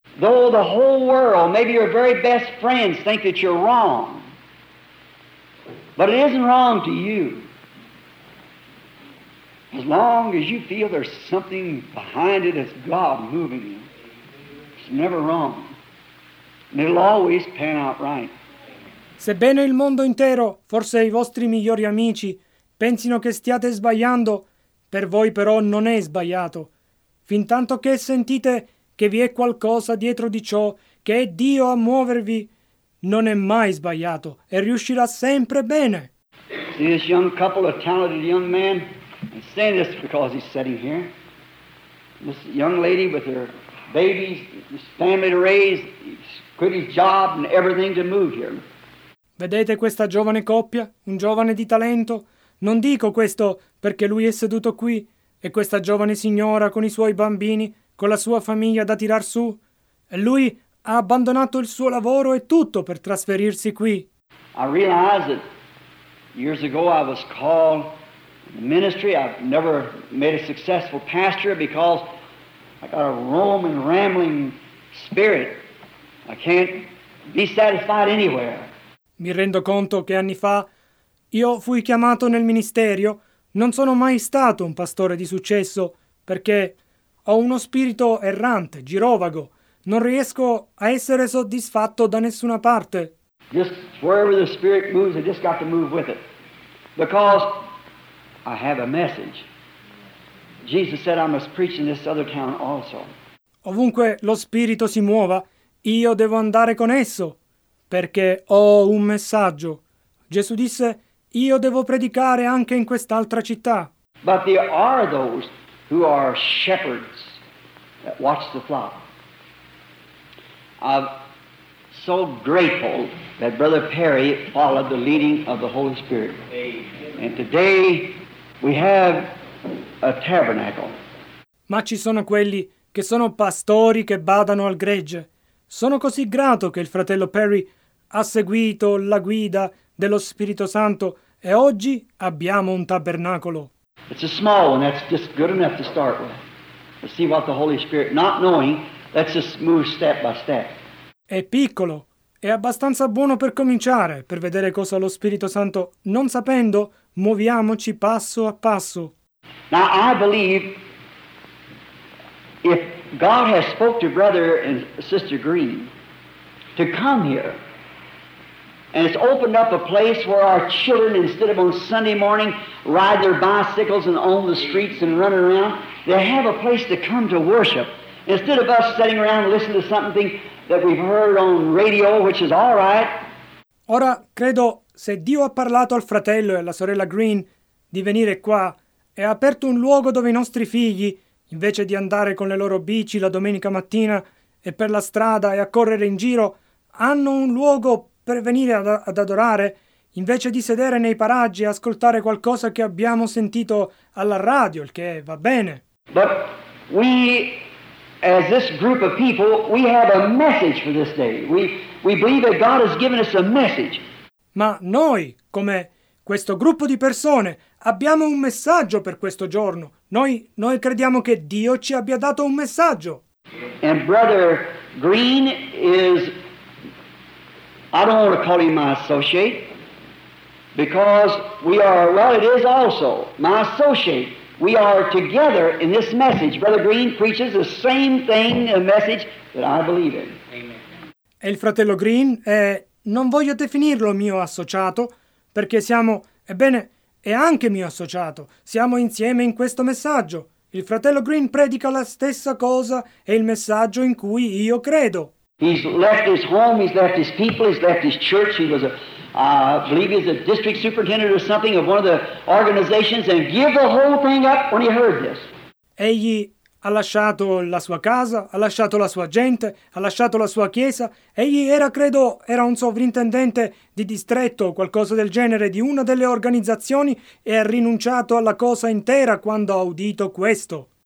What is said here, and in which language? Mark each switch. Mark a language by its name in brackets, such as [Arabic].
[English] Though the whole world, maybe your very best friends, think that you're wrong, but it isn't wrong to you. As long as you feel there's something behind it, it's God moving you. It's never wrong. And it'll always pan out right. [Italian] Sebbene il mondo intero, forse i vostri migliori amici, pensino che stiate sbagliando, per voi però non è sbagliato. Fin tanto che sentite che vi è qualcosa dietro di ciò, che è Dio a muovervi, non è mai sbagliato e riuscirà sempre bene. [English] See this young couple of talented young men? I'm saying this because he's sitting here. This young lady with her babies, this family to raise, quit his job and everything to move here. [Italian] Vedete questa giovane coppia, un giovane di talento? Non dico questo perché lui è seduto qui e questa giovane signora con i suoi bambini, con la sua famiglia da tirar su. E lui ha abbandonato il suo lavoro e tutto per trasferirsi qui. [English] I realize that years ago I was called in the ministry. I've never made a successful pastor because I got a roaming, rambling spirit. I can't be satisfied anywhere. [Italian] Mi rendo conto che anni fa io fui chiamato nel ministero, non sono mai stato un pastore di successo perché ho uno spirito errante, girovago, non riesco a essere soddisfatto da nessuna parte. [English] Just wherever the spirit moves, I just got to move with it. Because I have a message. Jesus said I must preach in this other town also. [Italian] Ovunque lo spirito si muova, io devo andare con esso perché ho un messaggio. Gesù disse: io devo predicare anche in quest'altra città. [English] But there are those who are shepherds that watch the flock. I'm so grateful that Brother Perry followed the leading of the Holy Spirit. Amen. And today we have a tabernacle. [Italian] Ma ci sono quelli che sono pastori che badano al gregge. Sono così grato che il fratello Perry ha seguito la guida dello Spirito Santo e oggi abbiamo un tabernacolo. [English] It's a small one, that's just good enough to start with. To see what the Holy Spirit, not knowing, lets us move step by step. [Italian] È piccolo, è abbastanza buono per cominciare, per vedere cosa lo Spirito Santo, non sapendo, muoviamoci passo a passo. [English] Now I believe if God has spoke to Brother and Sister Green to come here, and it's opened up a place where our children, instead of on Sunday morning, ride their bicycles and on the streets and run around, they have a place to come to worship. Instead of us sitting around and listening to something that we've heard on radio, which is all right. [Italian] Ora, credo, se Dio ha parlato al fratello e alla sorella Green di venire qua, e ha aperto un luogo dove i nostri figli, invece di andare con le loro bici la domenica mattina e per la strada e a correre in giro, hanno un luogo per venire ad adorare, invece di sedere nei paraggi e ascoltare qualcosa che abbiamo sentito alla radio, il che va bene. [English] But we, as this group of people, we have a message for this day. We believe that God has given us a message. [Italian] Ma noi, come questo gruppo di persone, abbiamo un messaggio per questo giorno. Noi crediamo che Dio ci abbia dato un messaggio. [English] And Brother Green is I don't want to call him my associate, because we are, well, it is also my associate. We are together in this message. Brother Green preaches the same thing, the message that I believe in. Amen. [Italian] E il fratello Green è, non voglio definirlo mio associato, perché siamo, ebbene, è anche mio associato. Siamo insieme in questo messaggio. Il fratello Green predica la stessa cosa e il messaggio in cui io credo. [English] He's left his home, he's left his people, he's left his church. He was a, I believe he's a district superintendent or something of one of the organizations, and give the whole thing up when he heard this. [Italian] Egli ha lasciato la sua casa, ha lasciato la sua gente, ha lasciato la sua chiesa. Egli era, credo, era un sovrintendente di distretto o qualcosa del genere di una delle organizzazioni, e ha rinunciato alla cosa intera quando ha udito questo.